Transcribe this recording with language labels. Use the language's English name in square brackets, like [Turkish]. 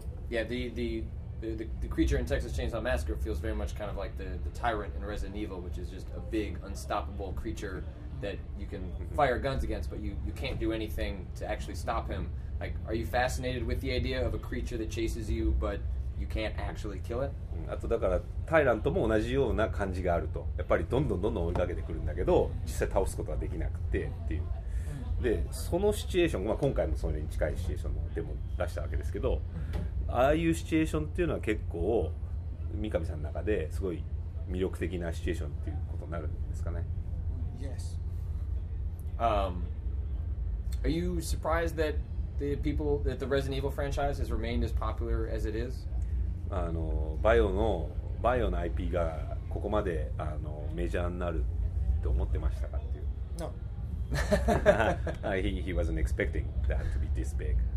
[English] Yeah, the creature in Texas Chainsaw Massacre feels very much kind of like the tyrant in Resident Evil, which is just a big unstoppable creature that you can fire guns against, but you can't do anything to actually stop him. Like, are you fascinated with the idea of a creature that chases you, but you can't actually kill it? [Japanese] あとだからタイラントも同じような感じがあると、やっぱりどんどんどんどん追いかけてくるんだけど、実際倒すことはできなくてっていう。で、そのシチュエーション、まあ今回もそれに近いシチュエーションでも出したわけですけど、ああいうシチュエーションっていうのは結構三上さんの中ですごい魅力的なシチュエーションっていうことになるんですかね。 [English] Yes. Are you surprised that the people that the Resident Evil franchise has remained as popular as it is? [Japanese] バイオの IP がここまでメジャーになると思ってましたかっていう。 [English] No. he wasn't expecting that to be this big.